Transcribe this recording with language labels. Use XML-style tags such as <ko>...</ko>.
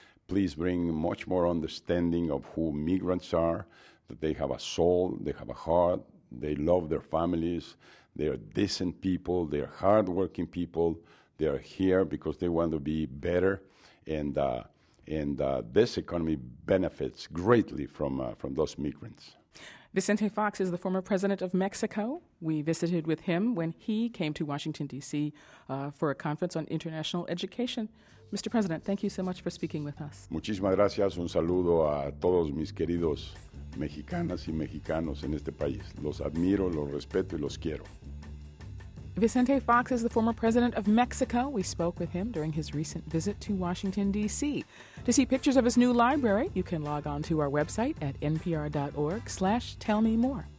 <en>Please bring much more understanding of who migrants are, that they have a soul, they have a heart, they love their families, they are decent people, they are hardworking people, they are here because they want to be better, and this economy benefits greatly from those migrants. Vicente Fox is the former president of Mexico. We visited with him when he came to Washington, D.C. For a conference on international education. Mr. President, thank you so much for speaking with us.</en> <es>Muchísimas gracias. Un saludo a todos mis queridos mexicanas y mexicanos en este país. Los admiro, los respeto y los quiero.</es> <en>Vicente Fox is the former president of Mexico. We spoke with him during his recent visit to Washington, D.C. To see pictures of his new library, you can log on to our website at npr.org/tellmemore.</en>